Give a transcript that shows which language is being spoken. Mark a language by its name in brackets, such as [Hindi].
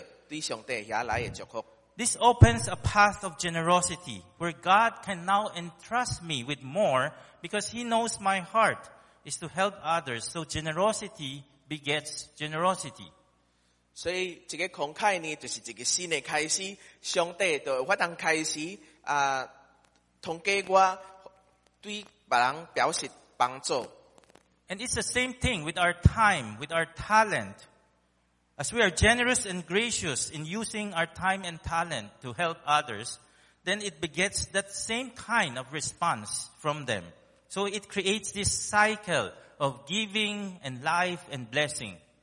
[English] This opens a path of generosity where God can now entrust me with more because He knows my heart is to help others, so generosity begets generosity. [Min Nan Chinese] 所以这个慷慨呢，就是一个新的开始。上帝就会当开始啊，通过我对别人表示帮助。 [English] And it's the same thing with our time, with our talent. As we are generous and gracious in using our time and talent to help others, then it begets that same kind of response from them. So it creates this cycle of giving and life and blessing.